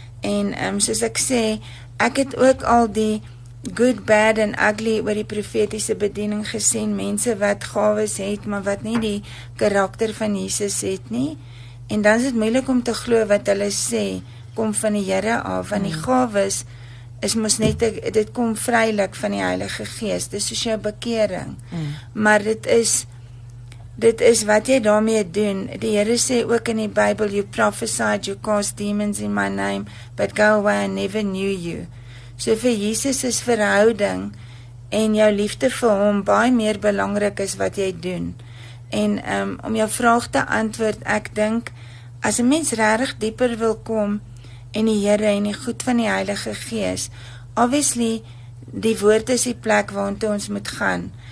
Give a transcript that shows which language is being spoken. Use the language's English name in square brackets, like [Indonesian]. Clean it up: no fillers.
[Afrikaans] En soos ek sê, ek het ook al die [English] good, bad and ugly [Afrikaans] oor die profetiese bediening gesien, mense wat gawes het, maar wat nie die karakter van Jesus het nie, en dan is dit moeilik om te glo wat hulle sê, kom van die Here af, want die gawes is mos net, dit kom vrylik van die Heilige Gees, dis soos jou bekering, maar dit is wat jy daarmee doen. Die Here sê ook in die Bybel, [English] you prophesied, you cast demons in my name, but go away, I never knew you. [Afrikaans] So vir Jesus is verhouding en jou liefde vir hom baie meer belangrik as wat jy doen. En om jou vraag te antwoord, ek dink, as 'n mens regtig dieper wil kom in die Here en die goed van die Heilige Gees, obviously, die woord is die plek waartoe ons moet gaan.